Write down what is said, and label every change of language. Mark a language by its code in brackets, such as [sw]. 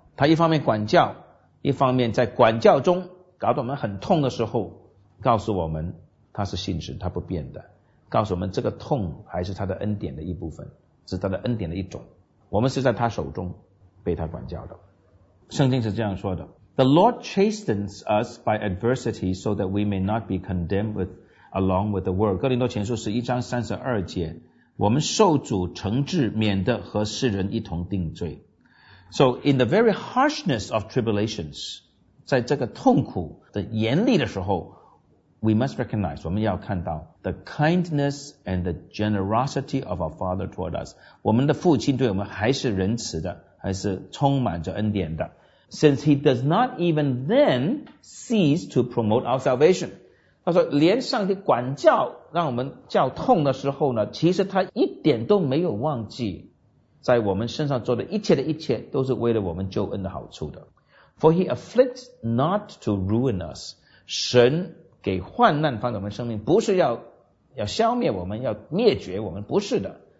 [zh] 他一方面管教，一方面在管教中搞得我们很痛的时候，告诉我们他是信实，他不变的，告诉我们这个痛还是他的恩典的一部分，是他的恩典的一种，我们是在他手中被他管教的。圣经是这样说的， [en] The Lord chastens us by adversity so that we may not be condemned with, along with the world. [zh] 哥林多前书11章32节，我们受主惩治，免得和世人一同定罪。 [en] So in the very harshness of tribulations, [zh] 在这个痛苦的严厉的时候， [en] We must recognize, [zh] 我们要看到 [en] the kindness and the generosity of our Father toward us. [zh] 我们的父亲对我们还是仁慈的，还是充满着恩典的。 [en] Since he does not even then cease to promote our salvation. [zh] 他说连上帝管教让我们叫痛的时候呢，其实他一点都没有忘记，在我们身上做的一切的一切都是为了我们救恩的好处的。 [en] For he afflicts not to ruin us. [zh] 神给患难放在我们生命，不是要消灭我们，要灭绝我们，不是的。